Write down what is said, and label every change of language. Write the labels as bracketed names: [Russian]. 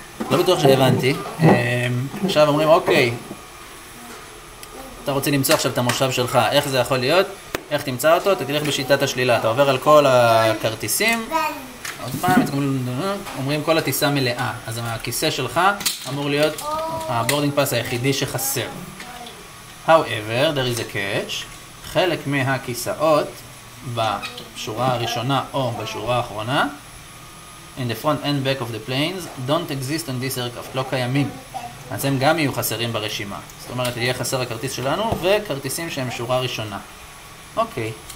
[Hebrew] לא בטוח שהבנתי. עכשיו אומרים, אוקיי, אתה רוצה למצוא עכשיו את המושב שלך, איך זה יכול להיות? איך תמצא אותו? אתה תלך בשיטת השלילה, אתה עובר על כל הכרטיסים, עוד פעם, אומרים כל הטיסה מלאה, אז הכיסא שלך אמור להיות הבורדינג פאס היחידי שחסר. [English] However, there is a catch, [Hebrew] חלק מהכיסאות בשורה הראשונה או בשורה האחרונה, [English] in the front and back of the planes, don't exist on this aircraft, [Hebrew] לא קיימים. אז הם גם יהיו חסרים ברשימה. זאת אומרת, יהיה חסר הכרטיס שלנו, וכרטיסים שהם שורה ראשונה. אוקיי.